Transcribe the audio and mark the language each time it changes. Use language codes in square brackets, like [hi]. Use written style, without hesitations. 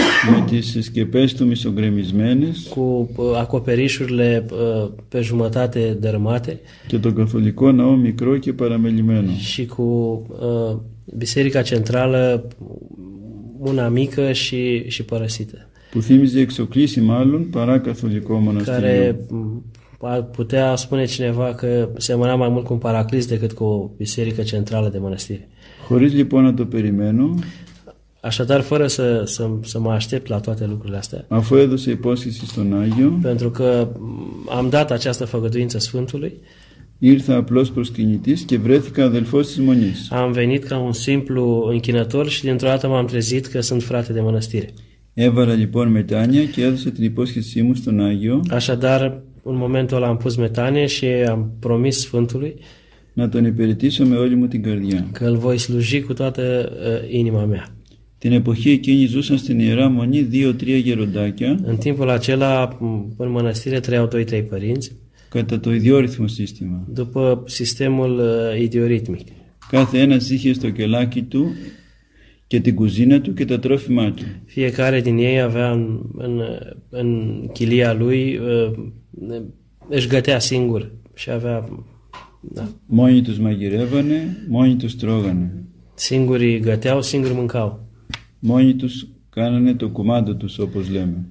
[el] Με τις σκεπές του μισογκρεμισμένες [ro] cu acoperișurile pe jumătate dărâmate [el] και το καθολικό ναό μικρό και παραμελημένο [ro] și cu biserica centrală una mică și părăsită [el] που θύμιζε εξοκλήσει μάλλον παρά καθολικό μοναστήριο [ro] care ar putea spune cineva că semăna mai mult cu un paraclis decât cu o biserică centrală de mănăstire. [el] Χωρίς λοιπόν να το περιμένω. [ro] Așadar, fără să mă aștept la toate lucrurile astea, a fost adusă iposchisi στον Άγιο, pentru că am dat această făgăduință Sfântului, [el] ήρθα απλώς προσκυνητής και βρέθηκα αδελφός της μονής. [ro] Am venit ca un simplu închinător și dintr-o dată m-am trezit că sunt frate de mănăstire. [el] Έβαλα λοιπόν μετάνια και έδωσε την υπόσχεσή μου στον Άγιο. [ro] Așadar, în momentul ăla am pus metanie și am promis Sfântului [el] να τον υπηρετήσω με όλη μου την καρδιά. [ro] Că îl voi sluji cu toată inima mea. [el] Την εποχή εκείνη ζούσαν στην Ιερά Μονή 2-3 γεροντάκια. [ro] În timpul acela, în mănăstire trăiau 2-3 părinți. [el] Κατά το ιδιόρυθμο σύστημα. [ro] După sistemul ιδιορύθμικ. [el] Κάθε ένας είχε στο κελάκι του και την κουζίνα του και τα τρόφιμά του. [ro] Fiecare din ei avea în chilia lui, își gătea singur și avea... Da. [el] Μόνοι τους μαγειρεύανε, μόνοι τους τρώγανε. [ro] Singuri găteau, singuri mâncau. [el] Μόνοι τους κάνανε το κουμάντο τους, όπως λέμε.